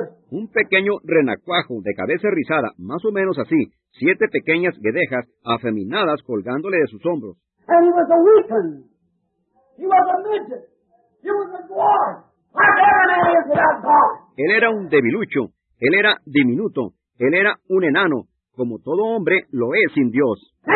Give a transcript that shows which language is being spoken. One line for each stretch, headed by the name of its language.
Spanish: Un pequeño renacuajo de cabeza rizada, más o menos así, siete pequeñas guedejas afeminadas colgándole de sus hombros.
English: And he was a weakling. He was a midget. He was a dwarf. Like every man is without God.
Spanish: Él era un debilucho. Él era diminuto. Él era un enano, como todo hombre lo es sin Dios.